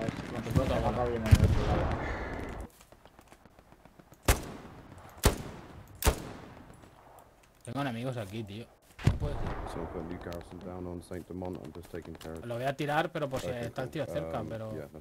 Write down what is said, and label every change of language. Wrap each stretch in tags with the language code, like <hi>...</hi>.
<es>ver, si cuando se puede tomar bien en el otro lado. Tengo enemigos aquí, tío.</es> <en>So put new garrison down on Saint Demont. I'm just taking care of</en> <es>it. Lo voy a tirar, pero por si está el tío cerca, pero.</es>